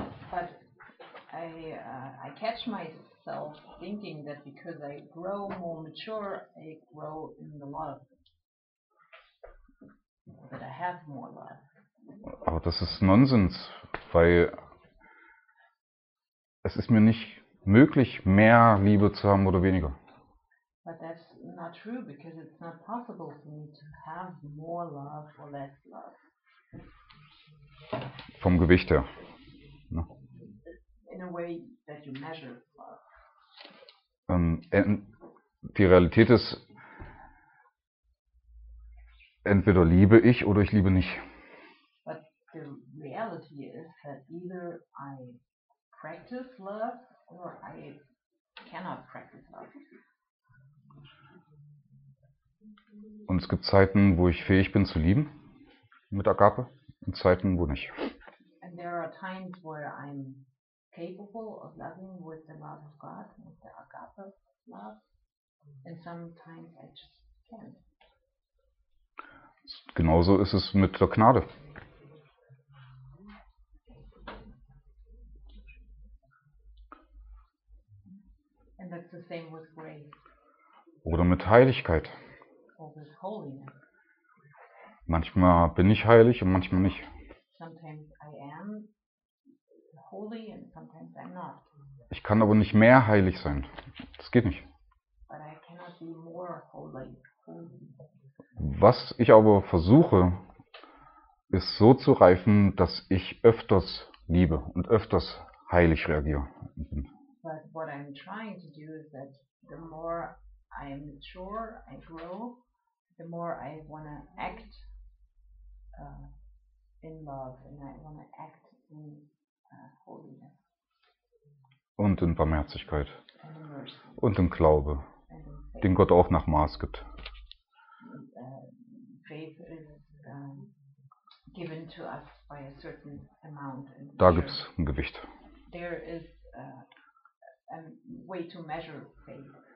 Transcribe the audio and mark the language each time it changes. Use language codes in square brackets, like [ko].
[en] But I catch myself thinking that because I grow more mature, I grow in the love. That I have more love. [de] Aber das ist Nonsens, weil es ist mir nicht möglich, mehr Liebe zu haben oder weniger. [en] But that's not true, because it's not possible for me to have more love or less love. [de] Vom Gewicht her. Ne? [en] In a way that you measure love. [de] Die Realität ist, entweder liebe ich oder ich liebe nicht. [en] But the reality is that either I practice love or I cannot practice love. [de] Und es gibt Zeiten, wo ich fähig bin zu lieben mit Agape und Zeiten, wo nicht. [en] And there are times where I'm capable of loving with the love of God, with the agape love, and sometimes I just can't. [de] Genauso ist es mit der Gnade. [en] And that's the same with grace. [de] Oder mit Heiligkeit. [en] Or with holiness. [de] Manchmal bin ich heilig und manchmal nicht. [en] Sometimes I am holy and sometimes I'm not. [de] Ich kann aber nicht mehr heilig sein. Das geht nicht. [en] But I cannot be more holy. [de] Was ich aber versuche, ist so zu reifen, dass ich öfters liebe und öfters heilig reagiere. [en] But what I'm trying to do is that the more I mature, I grow, the more I want to act in love and I want to act in holiness. [de] Und in Barmherzigkeit. Und im Glaube, den Gott auch nach Maß gibt. [en] Faith is given to us by a certain amount. [de] Da gibt's ein Gewicht. [en] There is a way to measure faith.